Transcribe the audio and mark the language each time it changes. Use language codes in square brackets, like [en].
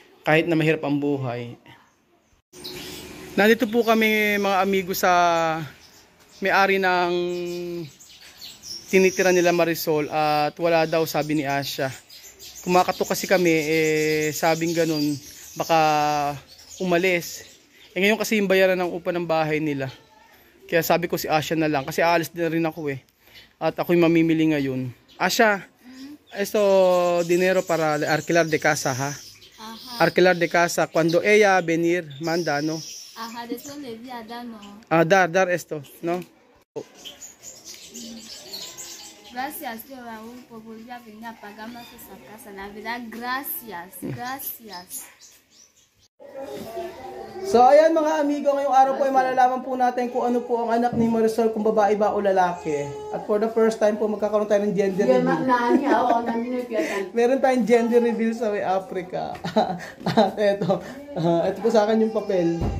[tl] Kahit na mahirap ang buhay. Nandito po kami mga amigo sa may-ari ng tinitira nila Marisol at wala daw, sabi ni Asya. Kumakato kasi kami, sabing ganun, baka umalis. Ngayon kasi yung bayaran ng upa ng bahay nila. Kaya sabi ko si Asya na lang, kasi aalis din rin ako eh. At ako yung mamimili ngayon. [es] Asya, esto dinero para alquilar de casa, ha? Aha. Alquilar de casa, cuando ella venir, manda, no? Aha, de eso le voy a dar, no? Dar esto, no? Gracias, tío Raúl, por volver a venir a pagarnos esa casa. La verdad, gracias. [tl] So, ayan mga amigo, ngayong araw po ay malalaman po natin kung ano po ang anak ni Marisol, kung babae ba o lalaki. At [en] for the first time [tl] po, magkakaroon tayo ng gender reveal. Yeah, nanya. Meron tayong gender reveal sa way Africa. At ito po sa akin yung papel.